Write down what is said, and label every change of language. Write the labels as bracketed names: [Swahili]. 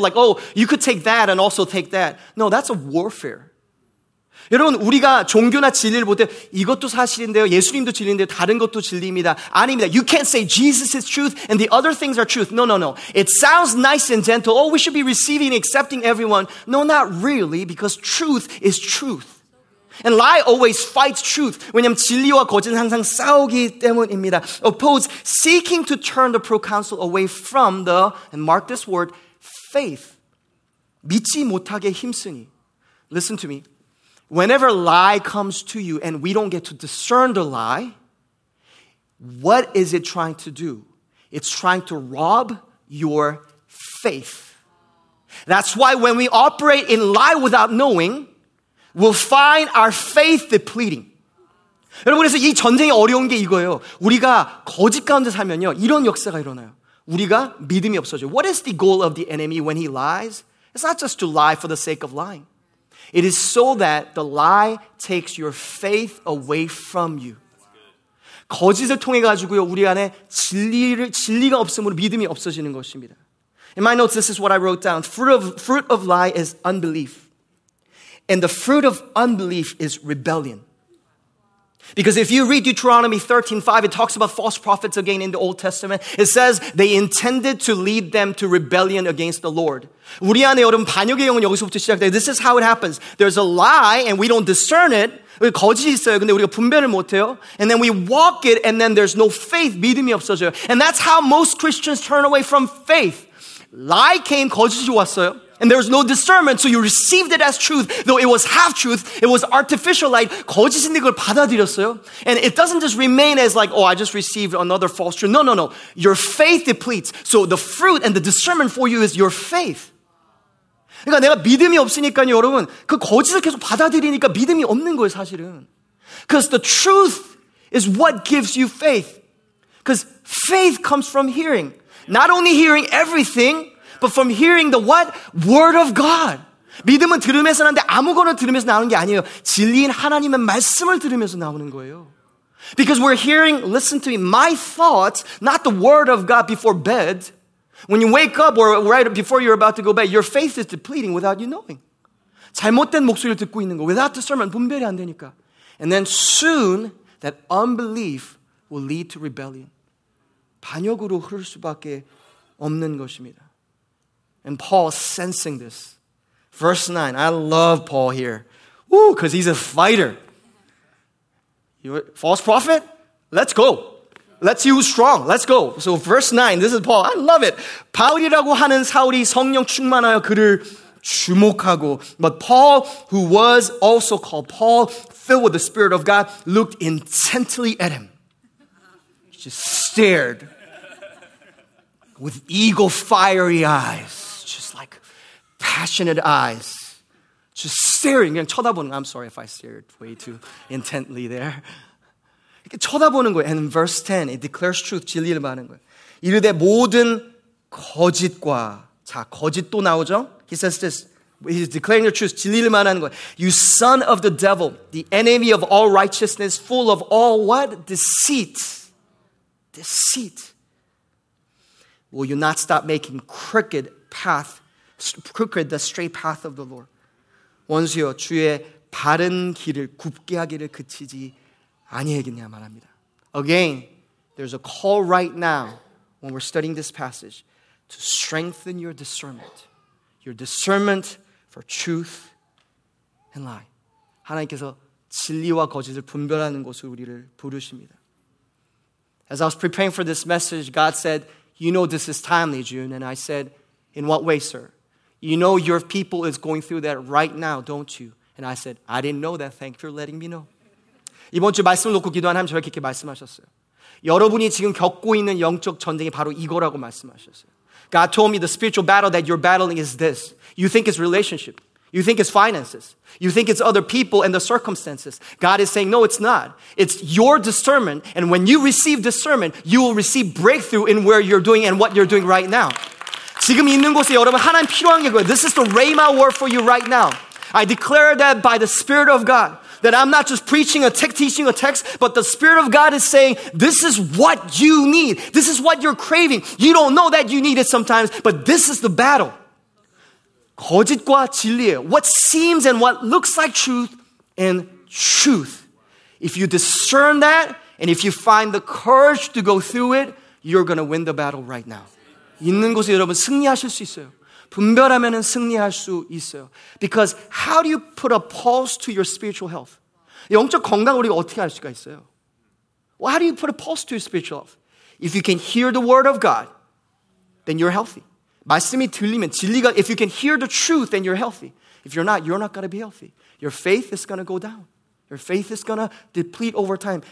[English] Like, oh, you could take that and also take that. No, that's a warfare. [Korean] 여러분, 우리가 종교나 진리를 볼 때 이것도 사실인데요. 예수님도 진리인데요. 다른 것도 진리입니다. 아닙니다. [English] You can't say Jesus is truth and the other things are truth. No, no, no. It sounds nice and gentle. Oh, we should be receiving and accepting everyone. No, not really, because truth is truth. And lie always fights truth. [Korean] 왜냐하면 진리와 거짓은 항상 싸우기 때문입니다. [English] Oppose, seeking to turn the proconsul away from the, and mark this word, faith. [Korean] 믿지 못하게 힘쓰니. [English] Listen to me. Whenever lie comes to you and we don't get to discern the lie, what is it trying to do? It's trying to rob your faith. That's why when we operate in lie without knowing, we'll find our faith depleting. [Korean] 여러분, 그래서 이 전쟁이 어려운 게 이거예요. 우리가 거짓 가운데 살면요, 이런 역사가 일어나요. 우리가 믿음이 없어져요. [English] What is the goal of the enemy when he lies? It's not just to lie for the sake of lying. It is so that the lie takes your faith away from you. [Korean] 거짓을 통해 가지고요, 우리 안에 진리가 없음으로 믿음이 없어지는 것입니다. [English] In my notes, this is what I wrote down. Fruit of lie is unbelief. And the fruit of unbelief is rebellion. Because if you read Deuteronomy 13:5, it talks about false prophets again in the Old Testament. It says they intended to lead them to rebellion against the Lord. [Korean] 우리 안에 여러분 반역의 영은 여기서부터 시작돼. [English] This is how it happens. There's a lie and we don't discern it. [Korean] 거짓이 있어요. 근데 우리가 분별을 못해요. [English] And then we walk it and then there's no faith. [Korean] 믿음이 없어져요. [English] And that's how most Christians turn away from faith. Lie came, [Korean] 거짓이 왔어요. [English] And there was no discernment, so you received it as truth, though it was half-truth, it was artificial light. [Korean] 거짓인데 그걸 받아들였어요. [English] And it doesn't just remain as like, oh, I just received another false truth. No, no, no. Your faith depletes. So the fruit and the discernment for you is your faith. [Korean] 그러니까 내가 믿음이 없으니까요, 여러분. 그 거짓을 계속 받아들이니까 믿음이 없는 거예요, 사실은. [English] Because the truth is what gives you faith. Because faith comes from hearing. Not only hearing everything, but from hearing the what? Word of God. [Korean] 믿음은 들음에서 나는데 아무거나 들음에서 나오는 게 아니에요. 진리인 하나님의 말씀을 들음에서 나오는 거예요. [English] Because we're hearing, listen to me, my thoughts, not the word of God before bed. When you wake up or right before you're about to go bed, your faith is depleting without you knowing. [Korean] 잘못된 목소리를 듣고 있는 거. [English] Without discernment, [Korean] 분별이 안 되니까. [English] And then soon, that unbelief will lead to rebellion. [Korean] 반역으로 흐를 수밖에 없는 것입니다. [English] And Paul sensing this. Verse 9. I love Paul here. Woo, because he's a fighter. You're a false prophet? Let's go. Let's use strong. Let's go. So verse 9. This is Paul. I love it. [Korean] 바울이라고 하는 사울이 성령 충만하여 그를 주목하고. [English] But Paul, who was also called Paul, filled with the Spirit of God, looked intently at him. He just stared with eagle fiery eyes. Passionate eyes, just staring, [Korean] 그냥 쳐다보는 거. [English] I'm sorry if I stared way too intently there. [Korean] 이렇게 쳐다보는 거예요. [English] And in verse 10, it declares truth, [Korean] 진리를 말하는 거예요. 이르되 모든 거짓과, 자, 거짓도 나오죠? [English] He says this, he's declaring the truth, [Korean] 진리를 말하는 거예요. [English] You son of the devil, the enemy of all righteousness, full of all what? Deceit. Deceit. Will you not stop making crooked path? Crooked, the straight path of the Lord. [Korean] 원수여, 주의 바른 길을 굽게 하기를 그치지 아니하겠냐 말합니다. [English] Again, there's a call right now when we're studying this passage to strengthen your discernment for truth and lie. [Korean] 하나님께서 진리와 거짓을 분별하는 것을 우리를 부르십니다. [English] As I was preparing for this message, God said, "You know this is timely, June." And I said, "In what way, sir?" You know your people is going through that right now, don't you? And I said, I didn't know that. Thank you for letting me know. [Korean] 이번 주 말씀을 놓고 기도한 하나님 저에게 이렇게 말씀하셨어요. 여러분이 지금 겪고 있는 영적 전쟁이 바로 이거라고 말씀하셨어요. [English] God told me the spiritual battle that you're battling is this. You think it's relationship. You think it's finances. You think it's other people and the circumstances. God is saying, no, it's not. It's your discernment. And when you receive discernment, you will receive breakthrough in where you're doing and what you're doing right now. [Korean] 지금 있는 곳에 여러분 하나님 필요한 게 그거예요. [English] This is the rhema word for you right now. I declare that by the Spirit of God, that I'm not just preaching a text, teaching a text, but the Spirit of God is saying, this is what you need. This is what you're craving. You don't know that you need it sometimes, but this is the battle. [Korean] 거짓과 진리예요. [English] What seems and what looks like truth and truth. If you discern that, and if you find the courage to go through it, you're going to win the battle right now. [Korean] 있는 곳에 여러분 승리하실 수 있어요. 분별하면은 승리할 수 있어요. [English] Because how do you put a pulse to your spiritual health? [Korean] 영적 건강을 우리가 어떻게 알 수가 있어요? [English] Well, how do you put a pulse to your spiritual health? If you can hear the word of God, then you're healthy. [Korean] 말씀이 들리면 진리가, [English] if you can hear the truth, then you're healthy. If you're not, you're not going to be healthy. Your faith is going to go down. Your faith is going to deplete over time.